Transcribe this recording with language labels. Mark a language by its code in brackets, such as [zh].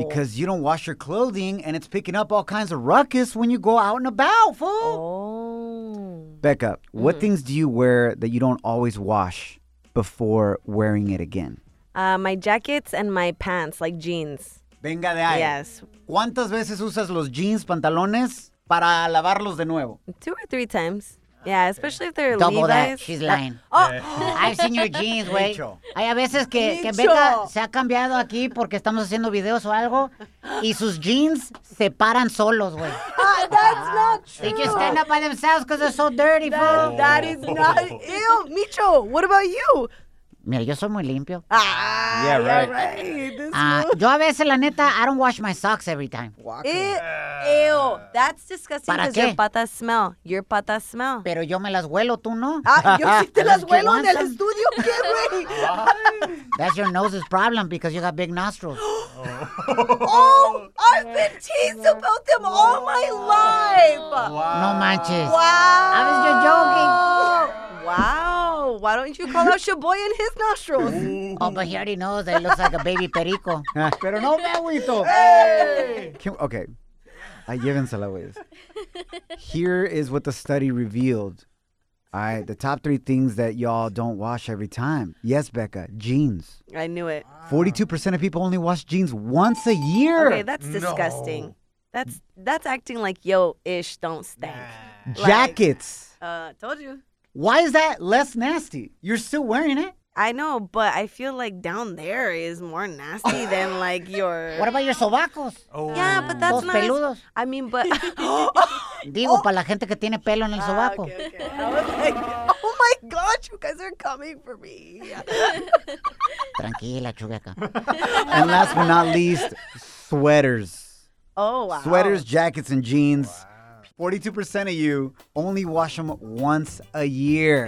[en] Because you don't wash your clothing, and it's picking up all kinds of ruckus when you go out and about, fool. Oh. Becca, what things do you wear that you don't always wash before wearing it again? My jackets and my pants, like jeans. [es] Venga de ahí. [en] Yes. [es] ¿Cuántas veces usas los jeans, pantalones, para lavarlos de nuevo? [en] 2 or 3 times. Yeah, especially if they're Double Levi's. Double that. She's lying. Oh. I've seen your jeans, güey. [es] Hay a veces que Becca se ha cambiado aquí porque estamos haciendo videos o algo y sus jeans se paran solos, güey. [en] That's not true. They just stand up by themselves because they're so dirty, bro. That is not... Ew, Micho, what about you? [es] Mira, yo soy muy limpio. [en] Ah, yeah, right. [es] Yo a veces, la neta, [en] I don't wash my socks every time. Ew, that's disgusting. [es] ¿Para qué? [en] Your patas smell. Your patas smell. [es] Pero yo me las huelo, tú no. Yo sí te las huelo en el estudio, ¿qué, güey? [en] That's your nose's problem because you got big nostrils. Oh, I've been teased about them all my life. [es] Wow. No manches. [en] Wow. I was just joking. Why don't you call out your boy in his nostrils? Oh, but he already knows that he looks like a baby perico. [es] Pero no me agüito. [en] Hey! [es] Okay. Ay, llévensela, güeyes. [en] Here is what the study revealed. All right, the top three things that y'all don't wash every time. Yes, Becca, jeans. I knew it. 42% of people only wash jeans once a year. Okay, that's disgusting. No. That's acting like yo-ish don't stink. Like, jackets. Told you. Why is that less nasty? You're still wearing it. I know, but I feel like down there is more nasty than like your... What about your sobacos? Oh. Yeah, but that's not... peludos. I mean, but... [es] Digo, para la gente que tiene pelo en el sobaco. [en] Okay. I was like, oh my God, you guys are coming for me. [es] Tranquila, chubeca. [en] And last but not least, sweaters. Oh, wow. Sweaters, jackets, and jeans. Wow. 42% of you only wash them once a year.